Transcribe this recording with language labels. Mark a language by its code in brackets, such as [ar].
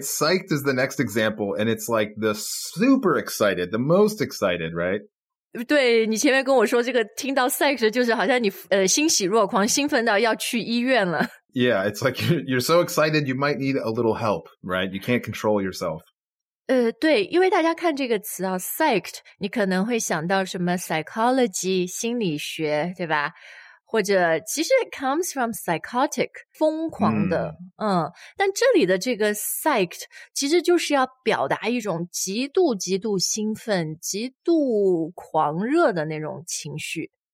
[en] Psyched is the next example, and it's like the super excited, the most excited, right? [zh] 对你前面跟我说这个听到 psyched 就是好像你欣喜若狂兴奋到要去医院了。 [en] Yeah, it's like you're so excited, you might need a little help, right? You can't control yourself. [zh] 对因为大家看这个词啊 psyched, 你可能会想到什么 psychology, 心理学对吧或者其实 [en] it comes from psychotic, [zh] 疯狂的但这里的这个 psyched, 其实就是要表达一种极度极度兴奋极度狂热的那种情绪。